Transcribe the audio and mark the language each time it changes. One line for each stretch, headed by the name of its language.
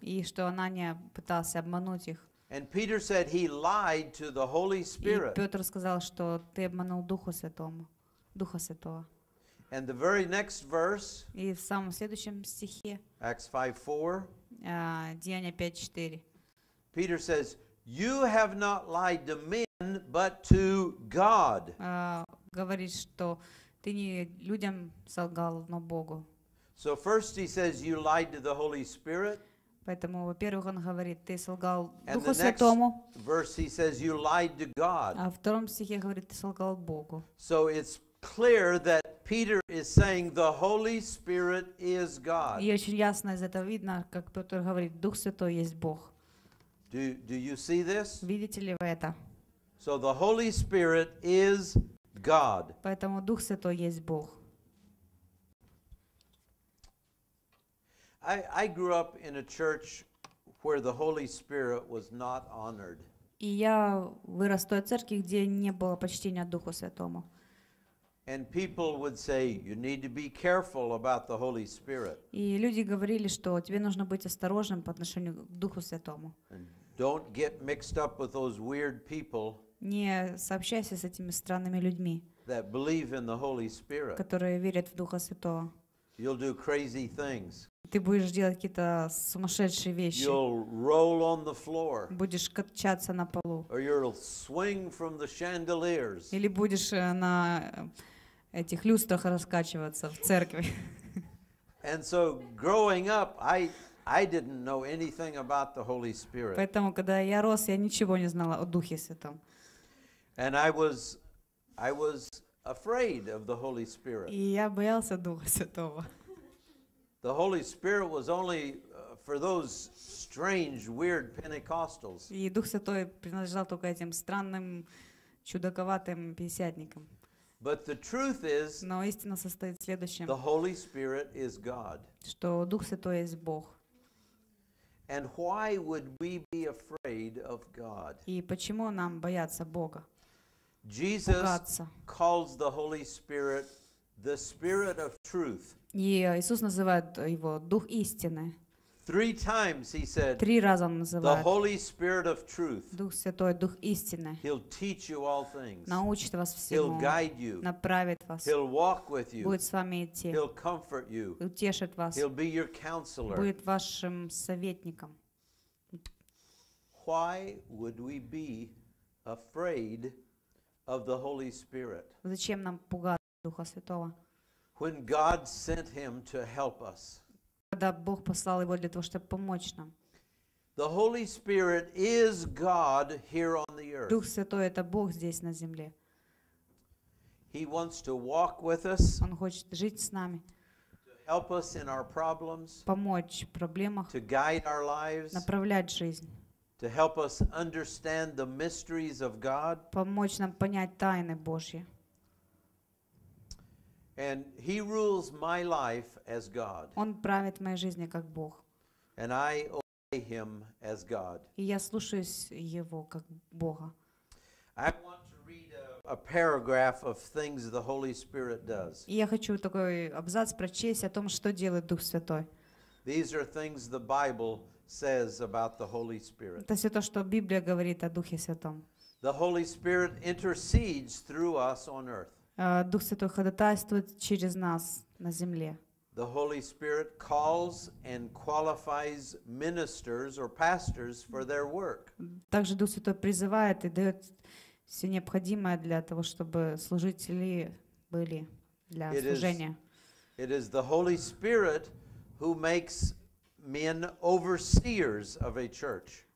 Russian: И что Анания пытался обмануть их.
English: And Peter said he lied to the Holy Spirit.
Russian: И Петр сказал, что ты обманул Духа Святого. Духа Святого.
English: And the very next verse.
Russian: И в самом следующем стихе.
English: Acts 5:4.
Russian: Деяния 5:4.
English: Peter says, "You have not lied to men, but to God."
Russian: Говорит, что ты не людям солгал, но Богу.
English: So first he says, "You lied to the Holy Spirit."
Russian: Поэтому, во-первых, он говорит, ты солгал Духу Святому.
English: And the next verse he says, "You lied to God."
Russian: А в втором стихе говорит, ты солгал Богу.
English: So it's clear that Peter is saying the Holy Spirit is God.
Russian: И очень ясно из этого видно, как Петр говорит, Дух Святой есть Бог.
English: Do you see this?
Russian: Видите ли вы это?
English: So the Holy Spirit is God.
Russian: Поэтому Дух Святой есть Бог.
English: I grew up in a church where the Holy Spirit was not honored.
Russian: И я вырос в той церкви, где не было почтения Духу Святому.
English: And people would say, "You need to be careful about the Holy Spirit."
Russian: И люди говорили, что тебе нужно быть осторожным по отношению к Духу Святому.
English: Don't get mixed up with those weird people.
Russian: Не сообщайся с этими странными людьми.
English: That believe in the Holy Spirit.
Russian: Которые верят в Духа Святого.
English: You'll do crazy things.
Russian: Ты будешь делать какие-то сумасшедшие вещи.
English: You'll roll on the floor.
Russian: Будешь качаться на полу.
English: Or you'll swing from the chandeliers.
Russian: Или будешь на этих люстрах раскачиваться в церкви.
English: And so growing up, I didn't know anything about the Holy Spirit.
Russian: Поэтому, когда я рос, я ничего не знала о Духе Святом.
English: And I was afraid of the Holy Spirit.
Russian: И я боялся Духа Святого.
English: The Holy Spirit was only for those strange, weird Pentecostals.
Russian: И Дух Святой принадлежал только этим странным, чудаковатым пятидесятникам.
English: But the truth is,
Russian: но истина состоит в следующем.
English: The Holy Spirit is God.
Russian: Что Дух Святой есть Бог.
English: And why would we be afraid of God?
Russian: И почему нам бояться Бога?
English: Jesus calls the Holy Spirit the Spirit of Truth.
Russian: И Иисус называет его Дух истины.
English: Three times he said.
Russian: Три раза он называет.
English: The Holy Spirit of Truth.
Russian: Дух Святой, Дух истины.
English: He'll teach you all things.
Russian: Научит вас всему.
English: He'll guide you.
Russian: Направит вас.
English: He'll walk with you.
Russian: Будет с вами идти.
English: He'll comfort you.
Russian: Утешит вас.
English: He'll be your counselor.
Russian: Будет вашим советником.
English: Why would we be afraid of the Holy Spirit?
Russian: Зачем нам пугаться Духа Святого?
English: When God sent him to help us.
Russian: Когда Бог послал его для того, чтобы помочь нам.
English: The Holy Spirit is God here on the earth.
Russian: Дух Святой это Бог здесь на земле.
English: He wants to walk with us.
Russian: Он хочет жить с нами.
English: To help us in our problems.
Russian: Помочь в проблемах.
English: To guide our lives.
Russian: Направлять жизнь.
English: To help us understand the mysteries of God.
Russian: Помочь нам понять тайны Божьи.
English: And he rules my life as God.
Russian: Он правит моей жизнью как Бог.
English: And I obey him as God.
Russian: И я слушаюсь его как Бога.
English: I want to read a paragraph of things the Holy Spirit does.
Russian: И я хочу такой абзац прочесть о том, что делает Дух Святой.
English: These are things the Bible says about the Holy Spirit.
Russian: Это все то, что Библия говорит о Духе Святом.
English: The Holy Spirit intercedes through us on earth.
Russian: Дух Святой ходатайствует через нас на земле.
English: The Holy Spirit calls and qualifies ministers or pastors for their work.
Russian: Также Дух Святой призывает и дает все необходимое для того, чтобы служители были для служения.
English: It is the Holy Spirit who makes men overseers of a church.